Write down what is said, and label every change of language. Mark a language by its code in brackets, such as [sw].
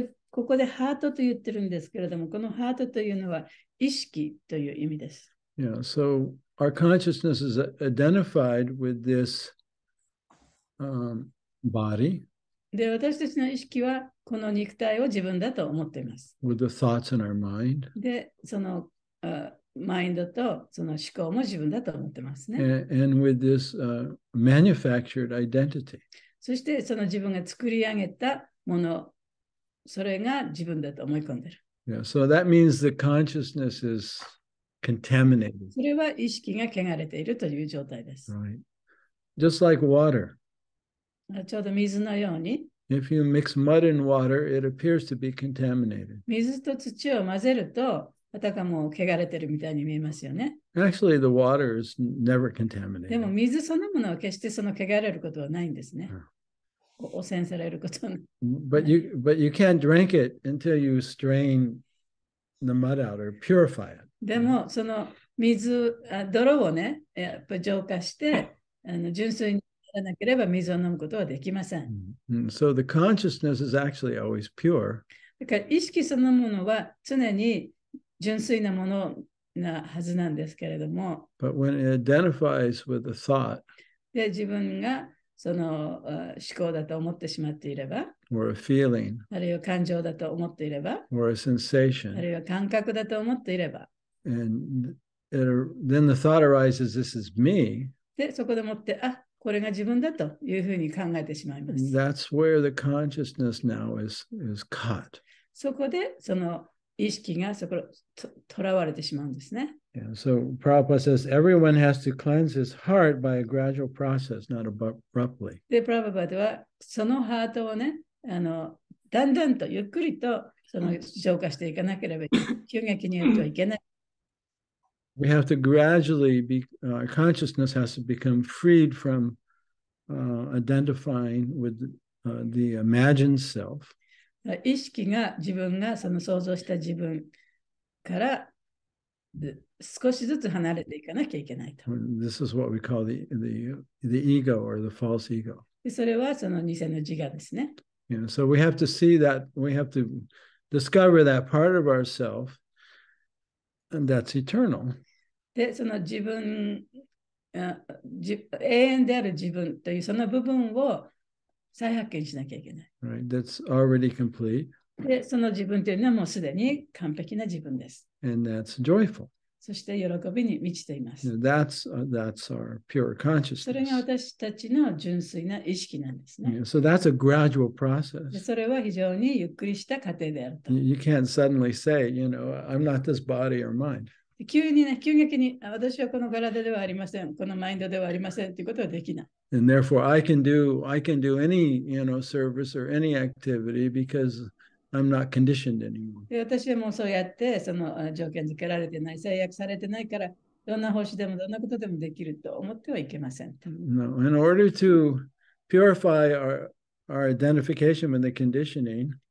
[ja] ここでハートと言ってるんですけれども、このハートというのは意識という意味です。 [en] Yeah, so our consciousness is identified with this body. [ja] で、私たちの意識はこの肉体を自分だと思っています。 [en] With the thoughts in our mind. [ja] で、その、マインドとその思考も自分だと思ってますね。 [en] And with this, manufactured identity. [ja] そしてその自分が作り上げたもの、それが自分だと思い込んでる。 [en] Yeah, so that means the consciousness is contaminated. [ja] それは意識が汚れているという状態です。 [en] Right. Just like water. [ja] ちょうど水のように。 [en] If you mix mud and water, it appears to be contaminated. [ja] 水と土を混ぜると、あたかも汚れてるみたいに見えますよね。 [en] Actually, the water is never contaminated. [ja] でも水そのものは決してその汚れることはないんですね。汚染されることはない。 [en] But you can't drink it until you strain the mud out or purify it. [ja] でもその水、泥をね、やっぱ浄化して、純粋にならなければ水を飲むことはできません。 [en] So the consciousness is actually always pure. [ja] だから意識そのものは常に純粋なものなはずなんですけれども。 [en] But when it identifies with the thought, [ja] で、自分がその思考だと思ってしまっていれば、 [en] or a feeling, [ja] あるいは感情だと思っていれば、 [en] or a sensation, [ja] あるいは感覚だと思っていれば、 [en] and it, then the thought arises, this is me. [ja] で、そこでもって、あ、これが自分だというふうに考えてしまいます。 [en] That's where the consciousness now is caught. [ja] そこで、その意識がそこにとらわれてしまうんですね。 [en] Yeah, so Prabhupada says everyone has to cleanse his heart by a gradual process, not abruptly. [ja] で、プラヴァパダはそのハートをね、だんだんとゆっくりとその浄化していかなければ、急激にやるとはいけない。 [en] We have to gradually be, consciousness has to become freed from, identifying with, the imagined self. [ja] 意識が自分がその想像した自分から少しずつ離れていかなきゃいけないと。 [en] This is what we call the ego or the false ego. [ja] それはその偽の自我ですね。 [en] Yeah, so we have to see that, we have to discover that part of ourself and that's eternal. [ja] で、その自分、永遠である自分というその部分を再発見しなきゃいけない。 [en] Right, that's already complete. [ja] で、その自分というのはもうすでに完璧な自分です。 [en] And that's joyful. [ja] そして喜びに満ちています。 [en] Now that's our pure consciousness. [ja] それが私たちの純粋な意識なんですね。 [en] Yeah, so that's a gradual process. [ja] で、それは非常にゆっくりした過程であると。 [en] You can't suddenly say, you know, I'm not this body or mind. [ja] 急にね、急激に私はこの体ではありません、このマインドではありませんということはできない。 [en] And therefore, I can do any, you know, service or any activity because I'm not conditioned anymore. [ja] 私はもうそうやって、その条件づけられてない、制約されてないから、どんな方針でもどんなことでもできると思ってはいけません。 [en] No, in order to purify our identification with the conditioning,